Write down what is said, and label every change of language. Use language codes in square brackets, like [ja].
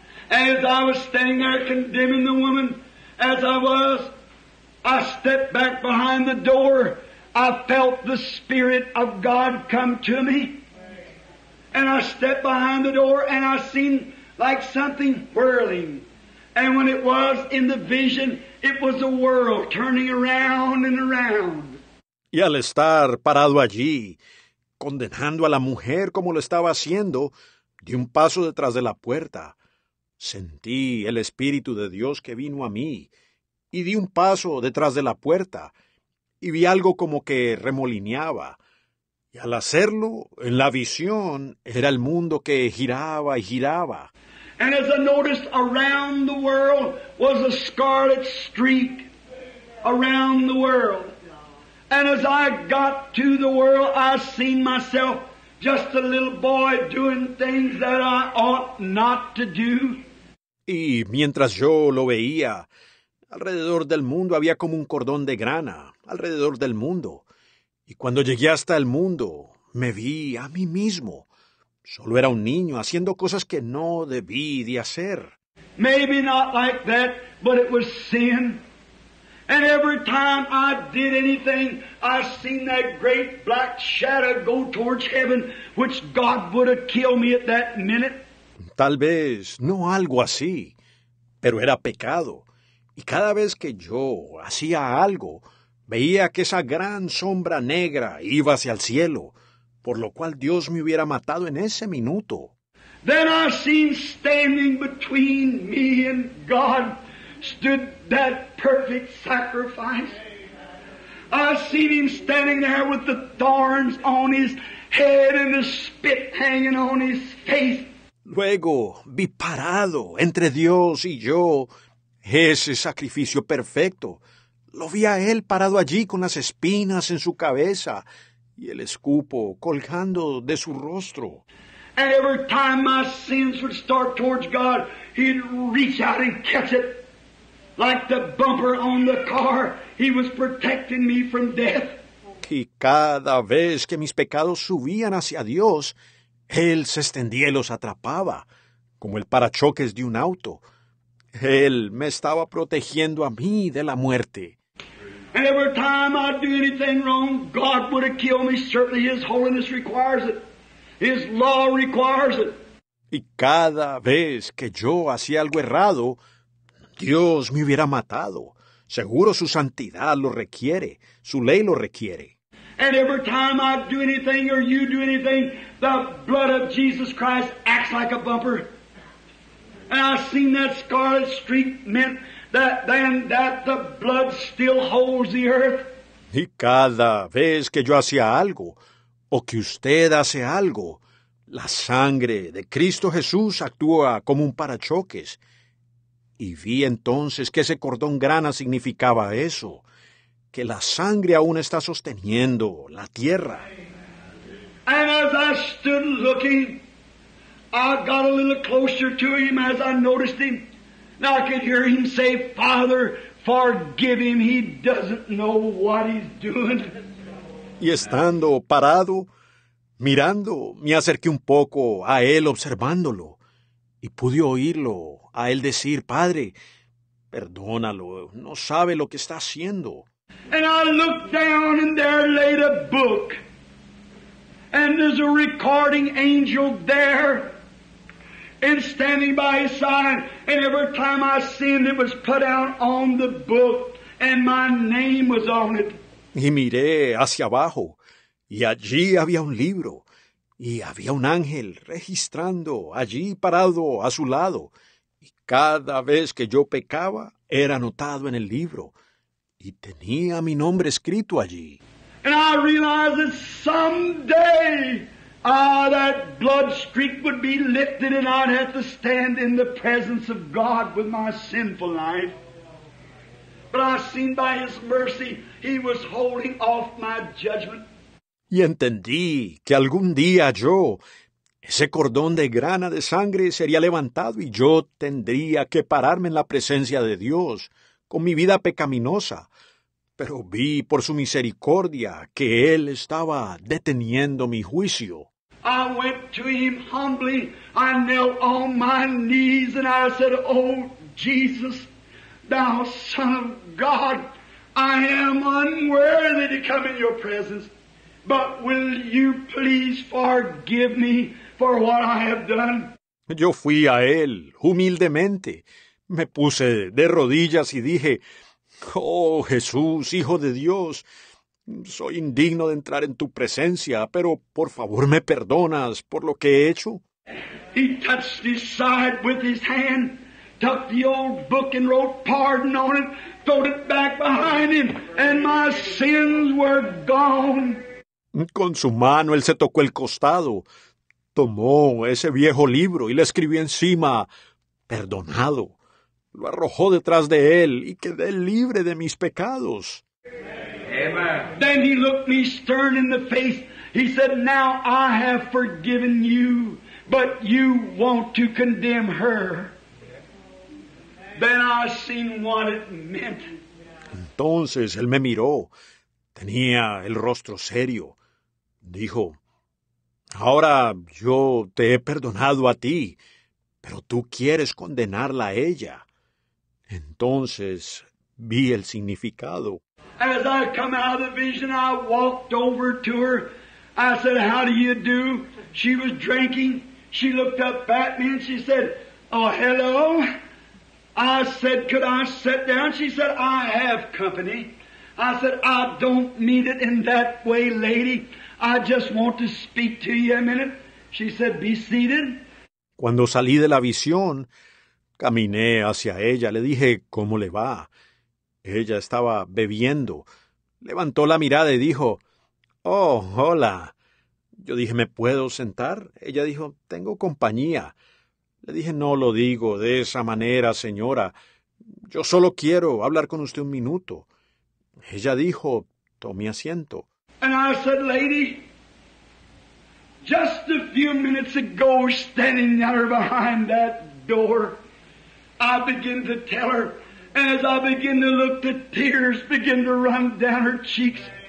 [en] As I was standing there condemning the woman, as I was, I stepped back behind the door. I felt the Spirit of God come to me. And I stepped behind the door and I seen like something whirling. And when it was in the vision, it was a world turning around and around. [es] Y al estar parado allí, condenando a la mujer como lo estaba haciendo, di un paso detrás de la puerta. Sentí el Espíritu de Dios que vino a mí y di un paso detrás de la puerta y vi algo como que remolineaba. Y al hacerlo, en la visión, era el mundo que giraba y giraba. [en] And as I noticed, around the world was a scarlet streak around the world. And as I got to the world, I seen myself just a little boy doing things that I ought not to do. [es] Y mientras yo lo veía, alrededor del mundo había como un cordón de grana, alrededor del mundo. Y cuando llegué hasta el mundo, me vi a mí mismo. Solo era un niño haciendo cosas que no debí de hacer. [en] Maybe not like that, but it was sin. And every time I did anything, I seen that great black shadow go towards heaven, which God would have killed me at that minute. [es] Tal vez no algo así, pero era pecado. Y cada vez que yo hacía algo, veía que esa gran sombra negra iba hacia el cielo, por lo cual Dios me hubiera matado en ese minuto. [en] Then I seen standing between me and God stood that perfect sacrifice. I seen him standing there with the thorns on his head and the spit hanging on his face. [es] Luego vi parado entre Dios y yo ese sacrificio perfecto. Lo vi a él parado allí con las espinas en su cabeza y el escupo colgando de su rostro. [en] And every time my sins would start towards God, he'd reach out and catch it. Like the bumper on the car, he was protecting me from death. [es] Y cada vez que mis pecados subían hacia Dios, él se extendía y los atrapaba, como el parachoques de un auto. Él me estaba protegiendo a mí de la muerte. [en] And every time I do anything wrong, God would have killed me. Certainly His holiness requires it. His law requires it. [es] Y cada vez que yo hacía algo errado, Dios me hubiera matado. Seguro su santidad lo requiere. Su ley lo requiere. [en] And every time I do anything or you do anything, the blood of Jesus Christ acts like a bumper. And I've seen that scarlet streak meant that then that the blood still holds the earth. [es] Y cada vez que yo hacía algo, o que usted hace algo, la sangre de Cristo Jesús actúa como un parachoques. Y vi entonces que ese cordón grana significaba eso, que la sangre aún está sosteniendo la tierra. [en] And as I stood looking, I got a little closer to him as I noticed him. Now I could hear him say, Father, forgive him, he doesn't know what he's doing. [es] Y estando parado, mirando, me acerqué un poco a él observándolo, y pude oírlo a él decir, Padre, perdónalo, no sabe lo que está haciendo. [en] And I looked down and there laid a book, and there's a recording angel there, and standing by his side, and every time I sinned, it was put out on the book, and my name was on it. [es] Y miré hacia abajo, y allí había un libro, y había un ángel registrando, allí parado a su lado. Y cada vez que yo pecaba, era anotado en el libro, y tenía mi nombre escrito allí. [en] And I realized that someday, that blood streak would be lifted and I'd have to stand in the presence of God with my sinful life. But I seen by His mercy, He was holding off my judgment. [es] Y entendí que algún día yo, ese cordón de grana de sangre sería levantado y yo tendría que pararme en la presencia de Dios con mi vida pecaminosa. Pero vi por su misericordia que Él estaba deteniendo mi juicio. [en] I went to Him humbly. I knelt on my knees and I said, Oh, Jesus, Thou Son of God, I am unworthy to come in Your presence, but will You please forgive me for what I have done? [es] Yo fui a Él humildemente. Me puse de rodillas y dije, Oh, Jesús, Hijo de Dios, soy indigno de entrar en tu presencia, pero por favor me perdonas por lo que he hecho. [en] He touched his side with his hand, tucked the old book and wrote pardon on it, threw it back behind him, and my sins were gone. [es] Con su mano él se tocó el costado, tomó ese viejo libro y le escribió encima, perdonado. Lo arrojó detrás de él y quedé libre de mis pecados. [en] Amen. Then he looked me stern in the face. He said, Now I have forgiven you, but you want to condemn her. Then I seen what it meant. [es] Entonces él me miró. Tenía el rostro serio. Dijo, Ahora yo te he perdonado a ti, pero tú quieres condenarla a ella. Entonces, vi el significado. [en] As I come out of the vision, I walked over to her. I said, How do you do? She was drinking. She looked up at me and she said, Oh, hello. I said, Could I sit down? She said, I have company. I said, I don't mean it in that way, lady. I just want to speak to you a minute. She said, Be seated. [es] Cuando salí de la visión, caminé hacia ella, le dije, ¿cómo le va? Ella estaba bebiendo. Levantó la mirada y dijo, Oh, hola. Yo dije, ¿me puedo sentar? Ella dijo, tengo compañía. Le dije, no lo digo de esa manera, señora. Yo solo quiero hablar con usted un minuto. Ella dijo, tomé asiento. [en] And I said, lady, just a few minutes ago, standing there behind that door, I begin to tell her, and as I begin to look, the tears begin to run down her cheeks.